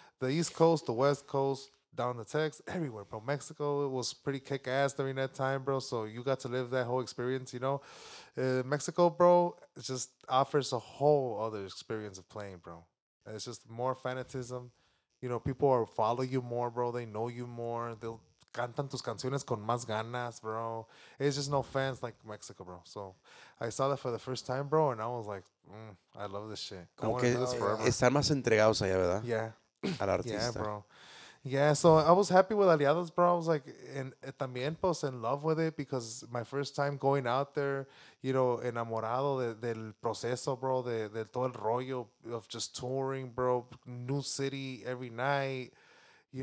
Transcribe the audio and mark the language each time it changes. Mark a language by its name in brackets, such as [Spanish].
[English] the East Coast, the West Coast, down the Texas, everywhere, bro. Mexico, it was pretty kick-ass during that time, bro. So you got to live that whole experience, you know. Mexico, bro, just offers a whole other experience of playing, bro. It's just more fanatism. You know, people are follow you more, bro. They know you more. [Spanish] They'll cantan tus canciones con más ganas, bro. [English] It's just no fans like Mexico, bro. So I saw that for the first time, bro, and I was like, I love this shit. [Spanish] Como que están más entregados allá, ¿verdad? [English] Yeah. [Spanish] Al artista. [English] Yeah, bro. Yeah, so I was happy with Aliados, bro. I was like, and también pues in love with it because my first time going out there, you know, [Spanish] enamorado del proceso, bro, de todo el rollo [English] of just touring, bro, new city every night. You